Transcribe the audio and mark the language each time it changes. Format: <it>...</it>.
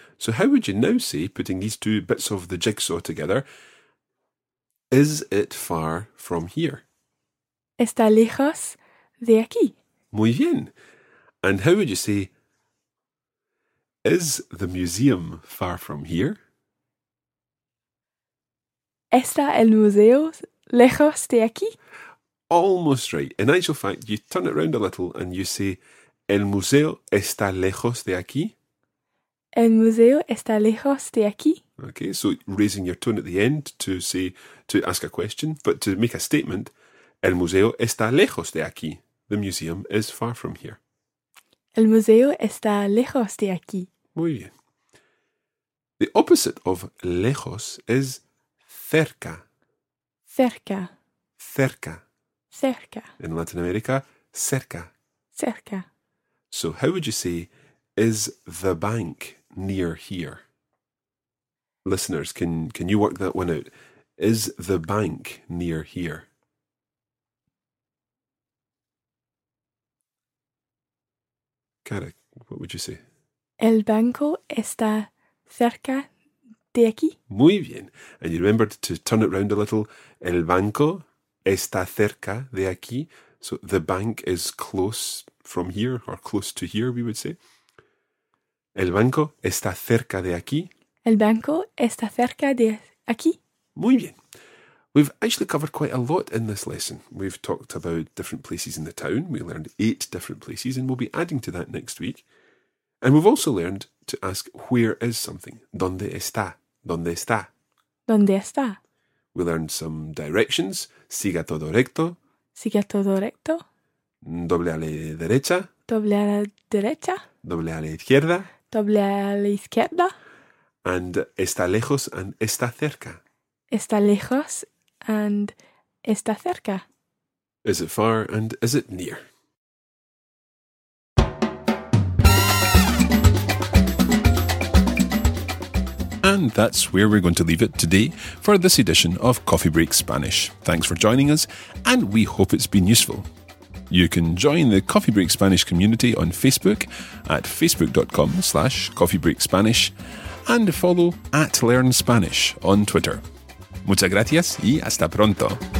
<en>So how would you now say, putting these two bits of the jigsaw together, is it far from here?</en> <es>Está lejos de aquí. Muy bien.</es> <en>And how would you say, is the museum far from here?</en> <es>Está el museo lejos de aquí?</es> <en>Almost right. In actual fact, you turn it around a little and you say,</en> <es>el museo está lejos de aquí. El museo está lejos de aquí.</es> <en>Okay, so raising your tone at the end to say, to ask a question, but to make a statement,</en> <es>el museo está lejos de aquí.</es> <en>The museum is far from here.</en> <es>El museo está lejos de aquí. Muy bien.</es> <en>The opposite of lejos is cerca.</en> <es>Cerca. Cerca. Cerca.</es> <en>In Latin America, cerca.</en> <es>Cerca.</es> <en>So how would you say, is the bank near here? Listeners, can you work that one out? Is the bank near here? Cara, what would you say?</en> <es>El banco está cerca de aquí. Muy bien.</es> <en>And you remembered to turn it round a little.</en> <es>El banco está cerca de aquí.</es> <en>So the bank is close from here, or close to here, we would say.</en> <es>El banco está cerca de aquí. El banco está cerca de aquí. Muy bien.</es> <en>We've actually covered quite a lot in this lesson. We've talked about different places in the town. We learned 8 different places, and we'll be adding to that next week. And we've also learned to ask where is something.</en> <es>¿Dónde está? ¿Dónde está? ¿Dónde está?</es> <en>We learned some directions.</en> <es>Siga todo recto. Siga todo recto. Doble a la derecha. Doble a la derecha. Doble a la izquierda. Doble a la izquierda. And está lejos and está cerca. Está lejos and está cerca.</es> <en>Is it far and is it near? And that's where we're going to leave it today for this edition of Coffee Break Spanish. Thanks for joining us, and we hope it's been useful. You can join the Coffee Break Spanish community on Facebook at facebook.com/coffeebreakspanish and follow at Learn Spanish on Twitter.</en> <es>Muchas gracias y hasta pronto.</es>